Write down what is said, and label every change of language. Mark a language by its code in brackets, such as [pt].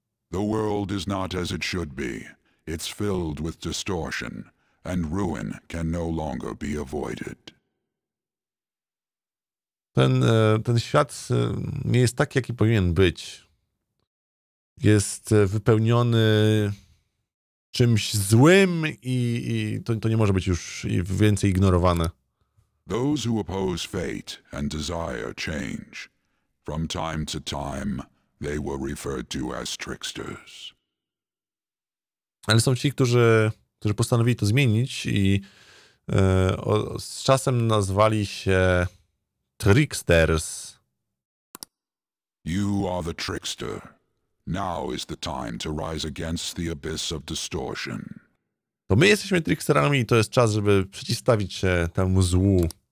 [en] The world is not as it should be. It's filled with distortion, and ruin can no longer be avoided. [pl] Ten świat nie jest taki, jaki powinien być. Jest wypełniony czymś złym i to nie może być już więcej ignorowane. [en] Those who oppose fate and desire change, from time to time, they were referred to as tricksters. [pl] Ale są ci, którzy postanowili to zmienić i z czasem nazwali się tricksters. [en] You are the trickster. Now is the time to rise against the abyss of distortion. [pl] To my jesteśmy tricksterami i to jest czas, żeby przeciwstawić się temu złu.